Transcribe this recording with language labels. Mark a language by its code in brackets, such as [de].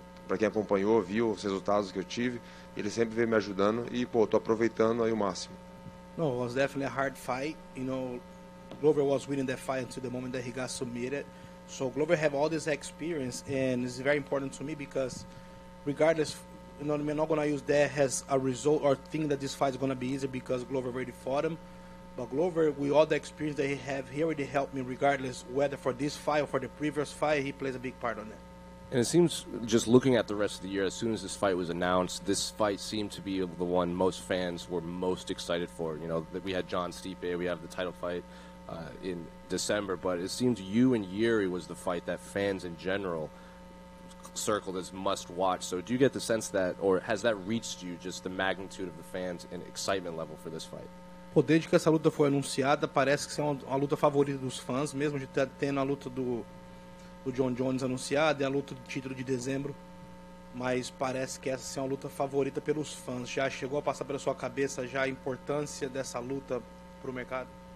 [pt] Para quem acompanhou, viu os resultados que eu tive, ele sempre vem me ajudando e, pô, tô aproveitando aí o máximo. [en] No, it was definitely a hard fight, you know, Glover was winning that fight until the moment that he got submitted, so Glover have all this experience and it's very important to me because regardless, you know, I'm not going to use that as a result or think that this fight is going to be easy because Glover already fought him. But Glover, with all the experience that he have, he already helped me regardless whether for this fight or for the previous fight, he plays a big part on that. And it seems, just looking at the rest of the year, as soon as this fight was announced, this fight seemed to be the one most fans were most excited for. You know, we had John Stipe, we have the title fight in December, but it seems you and Jiří was the fight that fans in general circled as must watch. So do you get the sense that, or has that reached you, just the magnitude of the fans and excitement level for this fight? [pt] Pô, desde que essa luta foi anunciada, parece que é uma luta favorita dos fãs, mesmo de tendo a luta do John Jones anunciada e a luta do título de dezembro, mas parece que essa é uma luta favorita pelos fãs. Já chegou a passar pela sua cabeça já a importância dessa luta pro mercado?